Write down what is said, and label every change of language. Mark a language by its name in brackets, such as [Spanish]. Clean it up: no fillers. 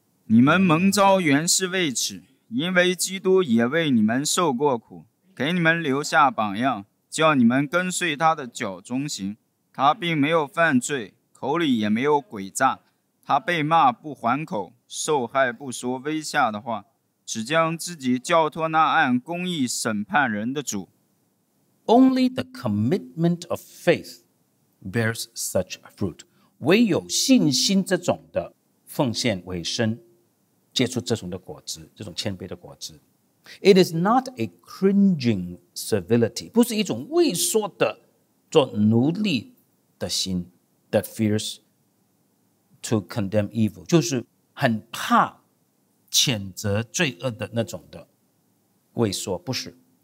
[Chinese] 你们蒙召原是为此，因为基督也为你们受过苦，给你们留下榜样，叫你们跟随他的脚中行。他并没有犯罪，口里也没有诡诈，他被骂不还口，受害不说威吓的话，只将自己交托那按公义审判人的主。 [English] Only the commitment of faith bears such a fruit. [Chinese] 唯有信心这种的奉献为生，结出这种的果子，这种谦卑的果子。 [English] It is not a cringing servility, [Chinese] 不是一种畏缩的做奴隶的心 [English] that fears to condemn evil, [Chinese] 就是很怕谴责罪恶的那种的畏缩，不是。